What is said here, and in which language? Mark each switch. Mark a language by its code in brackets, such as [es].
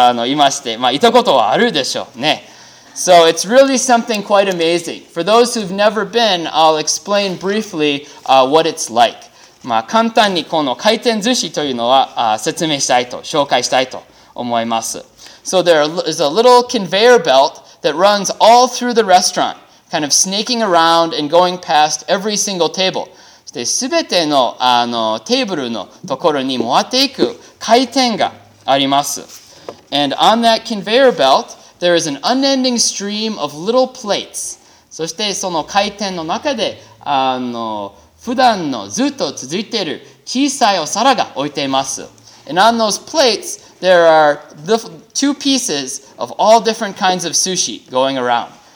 [ja] まあ、笑ってる人は結構いまして、まあ、行ったことはあるでしょうね。 [en] So it's really something quite amazing. For those who've never been, I'll explain briefly what it's like. [ja] まあ、簡単にこの回転寿司というのは説明したいと、紹介したいと思います。 [en] So there is a little conveyor belt that runs all through the restaurant, kind of snaking around and going past every single table. [ja] そして全てのテーブルのところに回っていく回転があります。 [en] And on that conveyor belt, there is an unending stream of little plates. [ja] そしてその回転の中で普段のずっと続いている小さいお皿が置いています。 [en] And on those plates, there are two pieces of all different kinds of sushi going around.